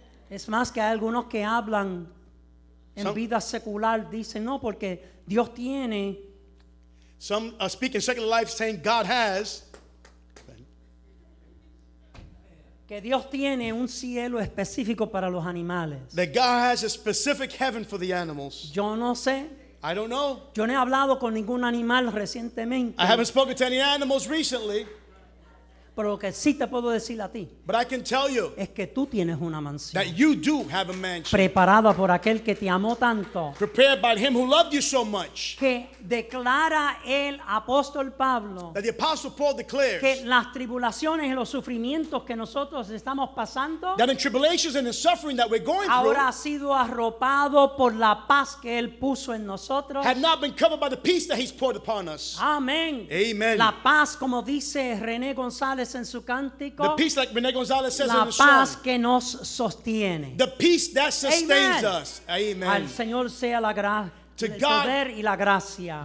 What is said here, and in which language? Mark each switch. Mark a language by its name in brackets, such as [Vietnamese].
[Spanish] Es más que hay algunos que hablan en [English] some, [Spanish] vida secular dicen no porque Dios tiene. [English] Some speak in secular life saying God has. [Spanish] Que Dios tiene un cielo específico para los animales. [English] That God has a specific heaven for the animals. [Spanish] Yo no sé. [English] I don't know. [Spanish] Yo no he hablado con ningún animal recientemente. [English] I haven't spoken to any animals recently. [Spanish] Pero lo que sí te puedo decir a ti. [English] But I can tell you. [Spanish] Es que tú tienes una mansión. [English] That you do have a mansion. [Spanish] Preparada por aquel que te amó tanto. [English] Prepared by him who loved you so much. [Spanish] Que declara el apóstol Pablo. [English] That the apostle Paul declares. [Spanish] Que las tribulaciones y los sufrimientos que nosotros estamos pasando. [English] That in tribulations and in suffering that we're going [Spanish] ahora Ahora ha sido arropado por la paz que él puso en nosotros. [English] Had not been covered by the peace that he's poured upon us. [Spanish] Amén. [English] Amen. [Spanish] La paz como dice René González. En su cántico, [English] the peace like Rene González says [Spanish] la [English] in the [Spanish] paz [English] song, [Spanish] que nos sostiene. [English] The peace that sustains amen. Us. Amen. [Spanish] Al Señor sea la gracia. [English] To God [Spanish] y la gracia.